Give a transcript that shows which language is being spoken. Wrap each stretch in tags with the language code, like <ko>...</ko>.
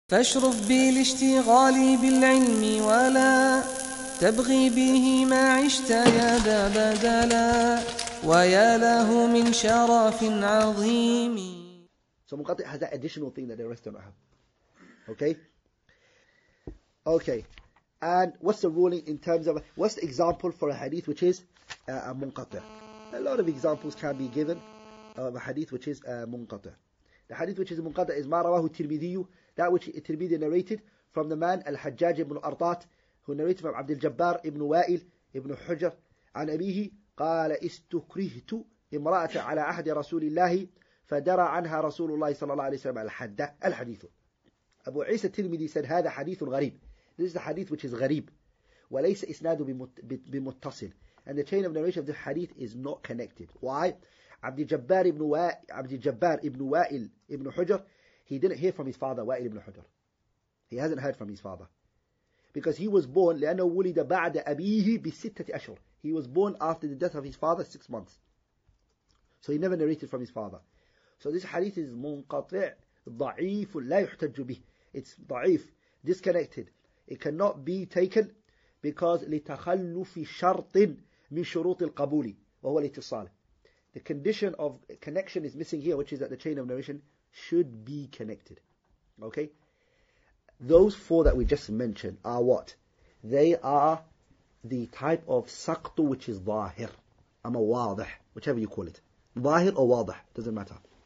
<ar>فاشرف بي لاشتغالي بالعلم ولا تبغي به ما عشت يا ذا بدلا ويا له من شرف عظيم.</ar> <en>So Muqatti has that additional thing that the rest don't have. Okay? Okay. And what's the ruling in terms of, what's the example for a hadith which is a munqati? A lot of examples can be given of a hadith which is a munqati. The hadith which is a munqati is</en> <ar>ما رواه التلميذي,</ar> <en>that which</en> <ar>التلميذي</ar> <en>narrated from the man</en> <ar>الحجاج ibn Ardat,</ar> <en>who narrated from</en> <ar>عبد الجبار ibn Wa'il ibn Hujr عن أبيه قال استكرهت امرأة على عهد رسول الله فدرى عنها رسول الله صلى الله عليه وسلم الحد. الحديث أبو عيسى التلميذي said هذا حديث غريب.</ar> <en>This is a hadith which is غريب.</en> <ar>وليس إسناده بمتصل.</ar> <en>And the chain of narration of this hadith is not connected. Why? عبد الجبار ابن وائل ابن حجر he didn't hear from his father وائل ابن حجر. He hasn't heard from his father. Because he was born</en> <ar>لأنه ولد بعد أبيه بستة أشهر.</ar> <en>He was born after the death of his father 6 months. So he never narrated from his father. So this hadith is</en> <ar>منقطع ضعيف لا يحتج به.</ar> <en>It's ضعيف, disconnected. It cannot be taken because</en> <ar>لتخلف شرط من شروط القبول وهو الاتصال.</ar> <en>The condition of connection is missing here, which is that the chain of narration should be connected. Okay? Those four that we just mentioned are what? They are the type of سقط which is ظاهر.</en> <ar>أما واضح,</ar> <en>whichever you call it. ظاهر or واضح, doesn't matter.</en>